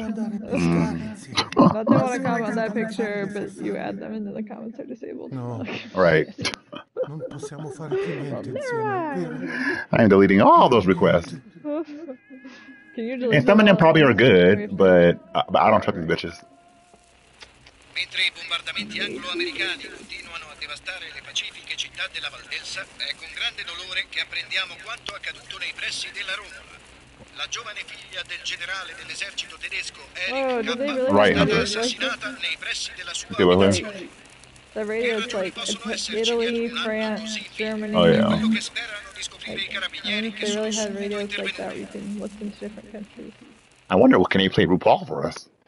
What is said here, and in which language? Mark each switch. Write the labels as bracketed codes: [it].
[en] I don't want to comment on that picture, but you add them into the comments are disabled. No. Right. Non possiamo fare più niente insieme. I'm deleting all those requests. Can you delete and some of them probably are good, but I don't trust these bitches. [it] Mentre i bombardamenti anglo-americani continuano a devastare le pacifiche città della Valdelsa, è con grande dolore che apprendiamo quanto accaduto nei pressi della Romola. La giovane figlia del generale dell'esercito tedesco, Eric Kappa, [en] right, [it] è stata assassinata nei pressi della sua abitazione. [en] The radio is like Italy, France, Germany. Oh, yeah. If they really had radios like that, you can listen to different countries. I wonder, what can he play RuPaul for us?